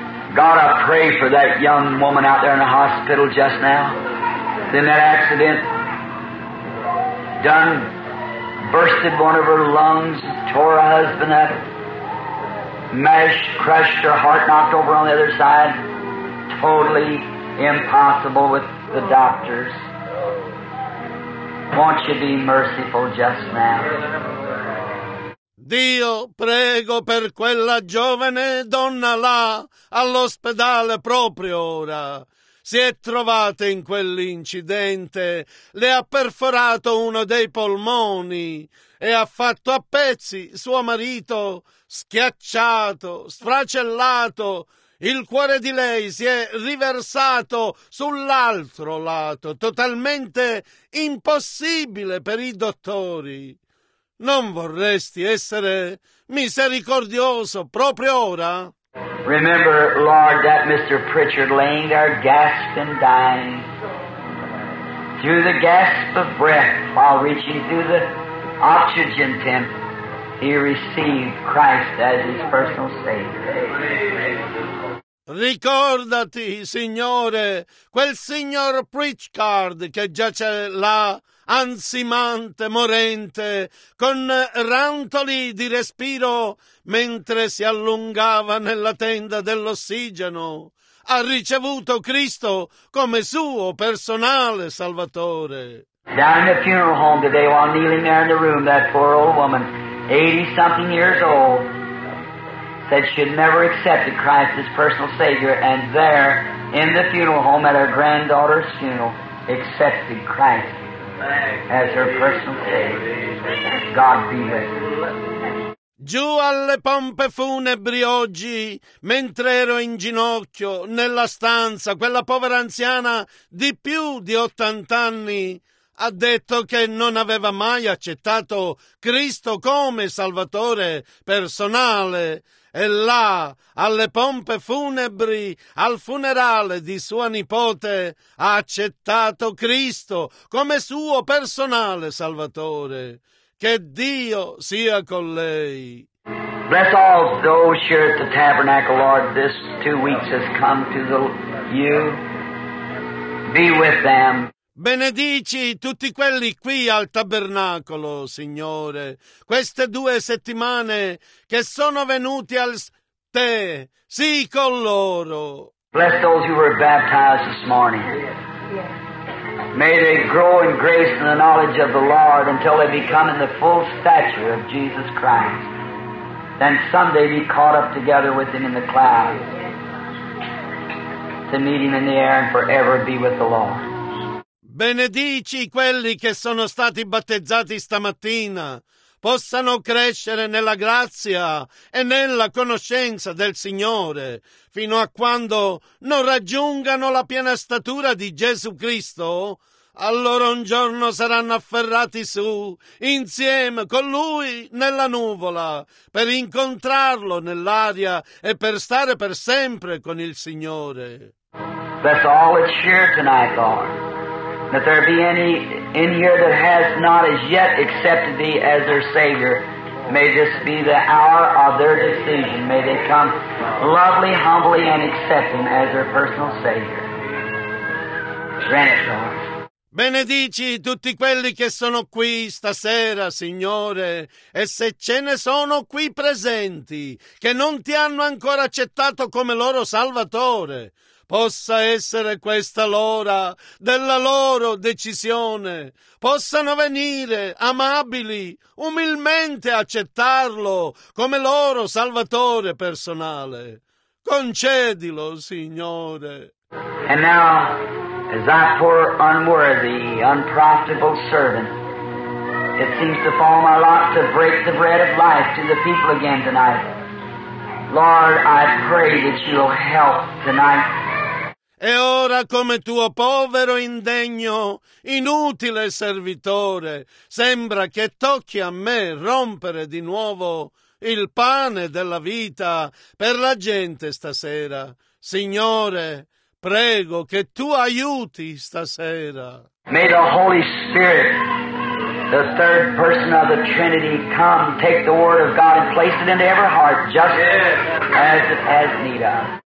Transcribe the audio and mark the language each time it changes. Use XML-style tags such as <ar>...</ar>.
<en>God, I pray for that young woman out there in the hospital just now. Then that accident done bursted one of her lungs, tore her husband up, mashed, crushed her heart, knocked over on the other side. Totally impossible with the doctors. Won't you be merciful just now?</en> <it>Dio, prego per quella giovane donna là, all'ospedale proprio ora. Si è trovata in quell'incidente, le ha perforato uno dei polmoni e ha fatto a pezzi suo marito, schiacciato, sfracellato. Il cuore di lei si è riversato sull'altro lato, totalmente impossibile per i dottori. Non vorresti essere misericordioso proprio ora?</it> <en>Remember, Lord, that Mr. Pritchard laying there gasping, dying, through the gasp of breath while reaching through the oxygen tent, he received Christ as his personal Savior.</en> <it>Ricordati, Signore, quel signor Pritchard che giace là, ansimante, morente, con rantoli di respiro mentre si allungava nella tenda dell'ossigeno. Ha ricevuto Cristo come suo personale Salvatore.</it> <en>Down in the funeral home today, while kneeling there in the room, that poor old woman, 80-something years old, said she had never accepted Christ as personal Savior, and there, in the funeral home, at her granddaughter's funeral, accepted Christ as her personal Savior. God be with you.</en> <it>Giù alle pompe funebri oggi, mentre ero in ginocchio nella stanza, quella povera anziana di più di 80 anni ha detto che non aveva mai accettato Cristo come Salvatore personale. E là, alle pompe funebri, al funerale di sua nipote, ha accettato Cristo come suo personale Salvatore. Che Dio sia con lei.</it> <en>Bless all those here at the tabernacle, Lord, this 2 weeks has come to you. Be with them.</en> <it>Benedici tutti quelli qui al tabernacolo, Signore, queste 2 settimane che sono venuti al te, sì con loro.</it> <en>Bless those who were baptized this morning. May they grow in grace and the knowledge of the Lord until they become in the full stature of Jesus Christ. Then someday be caught up together with him in the clouds to meet him in the air and forever be with the Lord.</en> <it>Benedici quelli che sono stati battezzati stamattina, possano crescere nella grazia e nella conoscenza del Signore, fino a quando non raggiungano la piena statura di Gesù Cristo, allora un giorno saranno afferrati su, insieme con Lui nella nuvola, per incontrarlo nell'aria e per stare per sempre con il Signore.</it> <en>That's all it's here tonight, Lord. That there be any in here that has not as yet accepted thee as their Savior, may this be the hour of their decision. May they come lovely, humbly, and accept him as their personal Savior. Grant it, Lord.</en> <it>Benedici tutti quelli che sono qui stasera, Signore, e se ce ne sono qui presenti, che non ti hanno ancora accettato come loro Salvatore. Possa essere questa l'ora della loro decisione. Possano venire amabili, umilmente accettarlo come loro Salvatore personale. Concedilo, Signore.</it> <en>And now, as that poor unworthy, unprofitable servant, it seems to fall my lot to break the bread of life to the people again tonight. Lord, I pray that you'll help tonight.</en> <it>E ora come tuo povero indegno, inutile servitore, sembra che tocchi a me rompere di nuovo il pane della vita per la gente stasera. Signore, prego che tu aiuti stasera.</it> <en>May the Holy Spirit, the third person of the Trinity, come take the word of God and place it into every heart just as it has need of.</en>